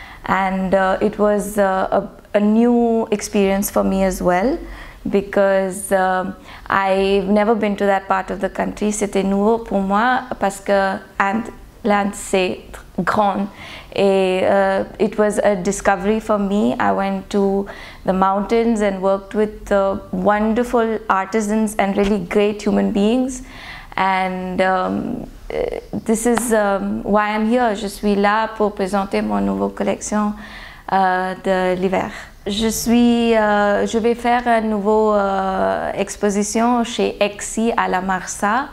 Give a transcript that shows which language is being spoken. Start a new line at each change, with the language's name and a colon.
English: And it was a new experience for me as well, because I've never been to that part of the country.
French: C'était nouveau pour moi, parce que l'Inde, c'est grand.
English: Et it was a discovery for me. I went to the mountains and worked with wonderful artisans and really great human beings. And this is why I'm here.
French: Je suis là pour présenter mon nouveau collection de l'hiver. Je vais faire une nouvelle exposition chez EXI à la Marsa.